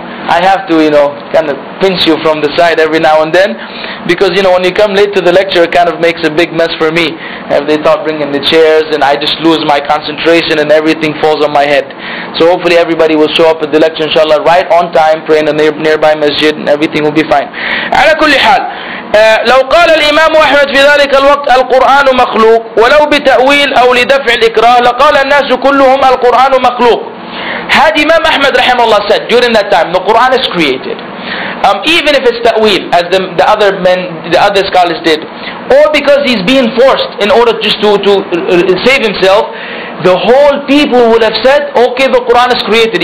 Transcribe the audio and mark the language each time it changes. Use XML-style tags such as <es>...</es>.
<en>I have to, you know, kind of pinch you from the side every now and then, because you know when you come late to the lecture, it kind of makes a big mess for me. If they start bringing the chairs, and I just lose my concentration, and everything falls on my head. So hopefully everybody will show up at the lecture, inshallah, right on time, pray in a nearby masjid, and everything will be fine.</en> <ar>على كل حال. لو قال الإمام أحمد في ذلك الوقت القرآن مخلوق ولو بتأويل أو لدفع الإكراه لقال الناس كلهم القرآن مخلوق.</ar> <en>Had Imam Ahmad رحمه الله said during that time the Quran is created, even if it's ta'wil as the other men, the other scholars did, or because he's being forced in order just to save himself, the whole people would have said, okay, the Quran is created.</en>